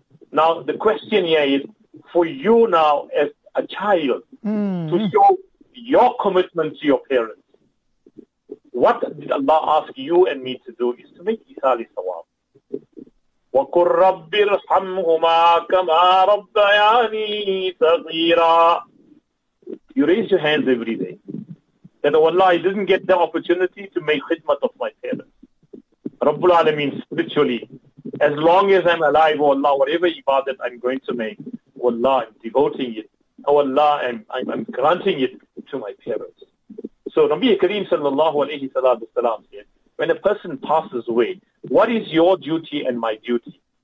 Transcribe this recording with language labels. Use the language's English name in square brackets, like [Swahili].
[English] Now, the question here is, for you now as a child, to show your commitment to your parents, what did Allah ask you and me to do is to make Isa alayhi salam. [Arabic] وَقُلْ رَبِّ ارْحَمْهُمَا كَمَا رَبَّيَانِي صَغِيرًا. [English] You raise your hands every day. That, oh Allah, I didn't get the opportunity to make khidmat of my parents. [Arabic] رَبُّ الْعَالَمِينَ, [English] spiritually. As long as I'm alive, oh Allah, whatever ibadat I'm going to make, oh Allah, I'm devoting it. Oh Allah, I'm granting it to my parents. So Nabi Kareem sallallahu alayhi salam said, when a person passes away, what is your duty and my duty?